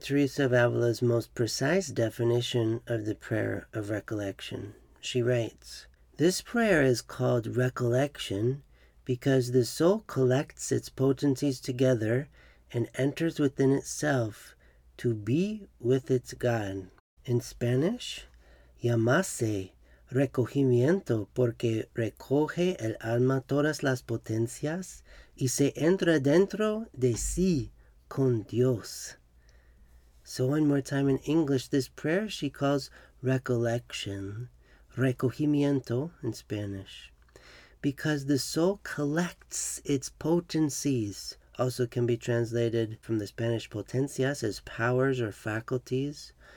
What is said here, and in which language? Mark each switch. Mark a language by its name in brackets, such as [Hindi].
[English] Teresa of Ávila's most precise definition of the prayer of recollection. She writes, "This prayer is called recollection because the soul collects its potencies together and enters within itself to be with its God. In Spanish, [Spanish] llamase recogimiento porque recoge el alma todas las potencias y se entra dentro de sí con Dios." [English] So one more time in English, this prayer she calls recollection, recogimiento in Spanish, because the soul collects its potencies, also can be translated from the Spanish potencias as powers or faculties.